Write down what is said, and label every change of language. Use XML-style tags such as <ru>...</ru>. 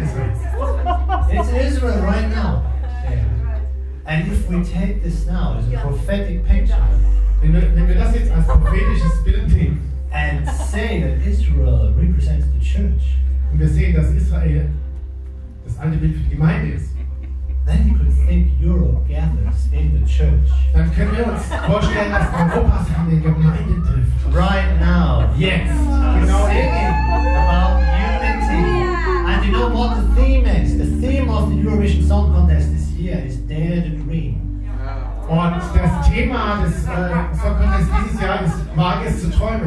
<en>It's in Israel right now. Yeah. And if we take this now as a prophetic picture, and say that Israel represents the church, then you could think Europe gathers in the church.</en> <de>Dann können wir uns vorstellen, dass Europa sich in der Gemeinde trifft.</de> <en>Right now, yes. Singing about unity. Yeah. And you know what the theme is? The theme of the Eurovision Song Contest this year is Dare to Dream.</en> <de>Und das Thema des Song Contests dieses Jahr ist Wage es zu träumen.</de>